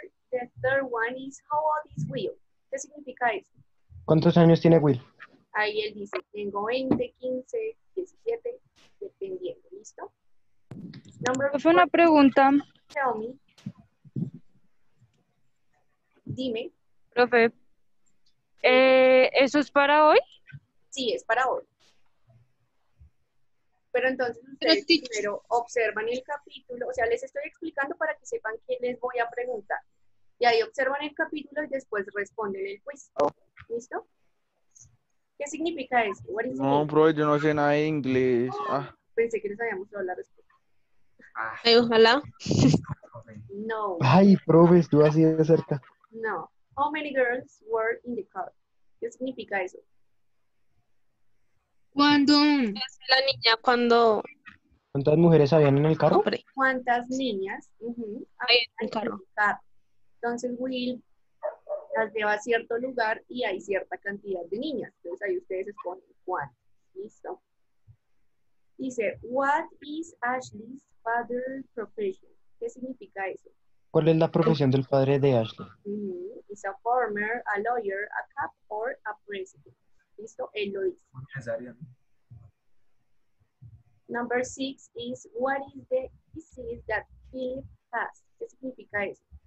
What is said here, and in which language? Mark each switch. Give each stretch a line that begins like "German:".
English: The third one is, how old is Will?
Spanish: ¿Qué significa eso? ¿Cuántos años tiene Will? Ahí él dice, tengo 20, 15, 17, dependiendo. ¿Listo? Fue una pregunta.
English: Tell me.
Spanish: Dime. Profe, ¿eso es para hoy? Sí, es para hoy. Pero entonces ustedes primero observan el capítulo, o sea, les estoy explicando para que sepan qué les voy a preguntar. Y ahí observan el capítulo y después responden el quiz. ¿Listo? ¿Qué significa esto?
English: ¿What is
Spanish: no, bro, yo no sé nada de inglés. Oh, ah. Pensé que les habíamos hablado después. Ay, ojalá. No. Ay, profe, estuvo así de cerca. No.
English: How many girls were in the car?
Spanish: ¿Qué significa eso? Cuando la niña, cuando... ¿Cuántas mujeres habían en el carro? Hombre. ¿Cuántas niñas? Uh-huh. Ahí en el carro. Entonces Will las lleva a cierto lugar y hay cierta cantidad de niñas. Entonces ahí ustedes exponen cuántas. ¿Listo? Dice,
English: what is Ashley's father's profession?
Spanish: ¿Qué significa eso? ¿Cuál es la profesión del padre de Ashley? Uh-huh.
English: Is a farmer, a lawyer, a cop, or a president.
Spanish: ¿Listo? Él lo dice.
English: Number six is, what is the disease that Philip has?
Spanish: ¿Qué significa eso?